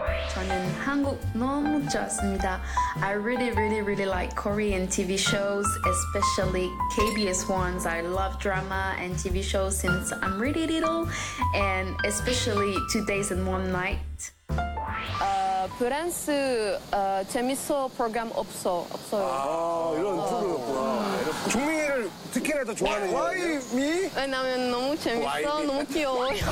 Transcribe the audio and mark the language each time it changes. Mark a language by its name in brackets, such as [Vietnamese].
[Korean] 저는 한국 너무 좋았습니다. [English] I really, really, really like Korean TV shows, especially KBS ones. I love drama and TV shows since I'm really little, and especially Two Days and One Night. [Korean] 프랑스 재밌어 프로그램 없어. 없어요. 아, 이런 프로였구나. 중민이를 특히나 더 좋아하는 거. [English] Why me? [Korean] 왜냐면 너무 재밌어. 너무 귀여워.